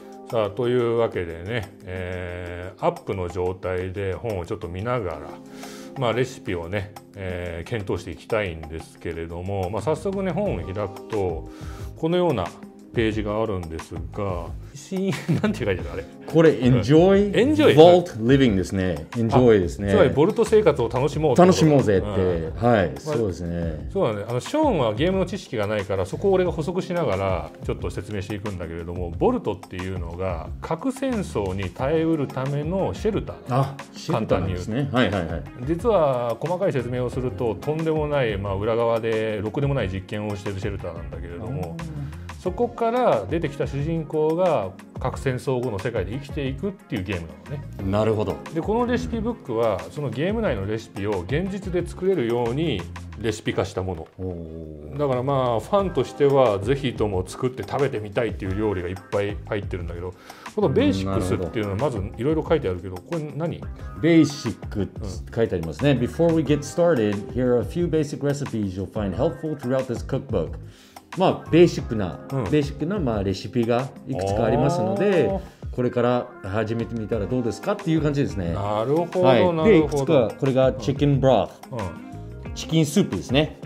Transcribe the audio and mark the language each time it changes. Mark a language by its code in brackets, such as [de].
[ja] さあ、というわけでね、アップの状態で本をちょっと見ながら、まあ、レシピをね、検討していきたいんですけれども、まあ、早速ね、本を開くとこのようなページがあるんですが、なんて書いてあるあれ、これ [en] Enjoy Vault Living [ja] ですね。 Enjoy ですね、つまりボルト生活を楽しもう、楽しもうぜって、うん、はい、まあ、そうですね、そうだね。ショーンはゲームの知識がないから、そこを俺が補足しながらちょっと説明していくんだけれども、ボルトっていうのが核戦争に耐えうるためのシェルター。あ、シェルターですね。はいはいはい。実は細かい説明をすると、とんでもない、まあ、裏側でろくでもない実験をしているシェルターなんだけれども、そこから出てきた主人公が核戦争後の世界で生きていくっていうゲームなのね。なるほど。で、このレシピブックはそのゲーム内のレシピを現実で作れるようにレシピ化したもの。だから、まあ、ファンとしてはぜひとも作って食べてみたいっていう料理がいっぱい入ってるんだけど、このベーシックスっていうのはまずいろいろ書いてあるけど、これ何？ベーシックって書いてありますね。 [en] Before we get started, here are a few basic recipes you'll find helpful throughout this cookbook. [ja] まあ、ベーシックな、まあ、レシピがいくつかありますので、これから始めてみたらどうですかっていう感じですね。なるほど、はい、なるほど。で、いくつか、これがチキンブロース、うん、チキンスープですね。